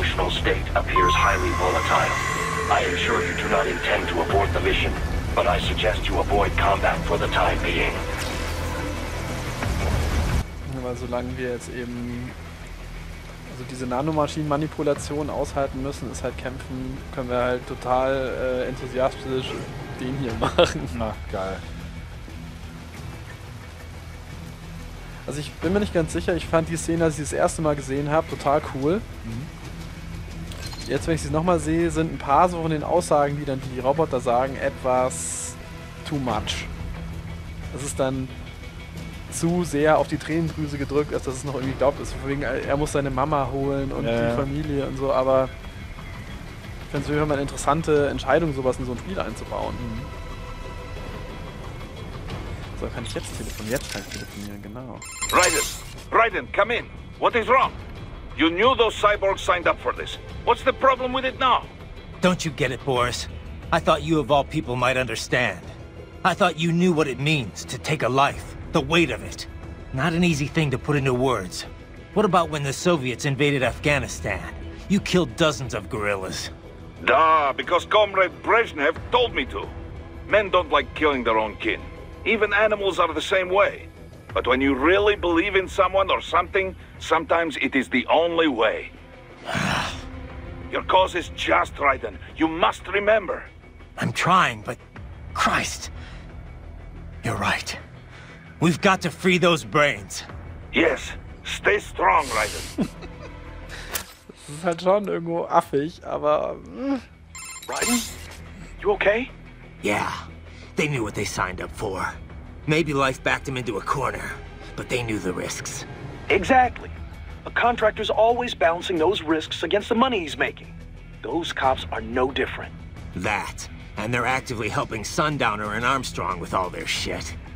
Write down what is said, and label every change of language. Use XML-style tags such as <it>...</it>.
<en>State appears highly volatile. I am sure you do not intend to abort the mission, but I suggest you avoid combat for the time being.</en> <de>Weil solange wir jetzt eben also diese Nanomaschinen-Manipulation aushalten müssen, ist halt kämpfen, können wir halt total enthusiastisch den hier machen. Na, geil. Also ich bin mir nicht ganz sicher, ich fand die Szene, als ich das erste Mal gesehen habe, total cool. Mhm. Jetzt, wenn ich sie nochmal sehe, sind ein paar so von den Aussagen, die dann die Roboter sagen, etwas too much. Das ist dann zu sehr auf die Tränendrüse gedrückt, als dass es noch irgendwie glaubt ist. Deswegen, er muss seine Mama holen und ja, die Familie und so, aber ich finde es wirklich mal eine interessante Entscheidung, sowas in so ein Spiel einzubauen. Mhm. So, kann ich jetzt telefonieren? Jetzt kann ich telefonieren, genau.</de> <en>Raiden, come in. What is wrong? You knew those cyborgs signed up for this. What's the problem with it now? Don't you get it, Boris? I thought you of all people might understand. I thought you knew what it means to take a life, the weight of it. Not an easy thing to put into words. What about when the Soviets invaded Afghanistan? You killed dozens of guerrillas. Duh, because Comrade Brezhnev told me to. Men don't like killing their own kin. Even animals are the same way. But when you really believe in someone or something, sometimes it is the only way. Your cause is just, Raiden. You must remember. I'm trying, but... Christ! You're right. We've got to free those brains. Yes. Stay strong, Raiden.</en> <de>Das ist halt schon irgendwo affig, aber...</de> <en>Raiden? You okay? Yeah. They knew what they signed up for. Maybe life backed them into a corner, but they knew the risks. Exactly. A contractor's always balancing those risks against the money he's making. Those cops are no different. That, and they're actively helping Sundowner and Armstrong with all their shit.</en>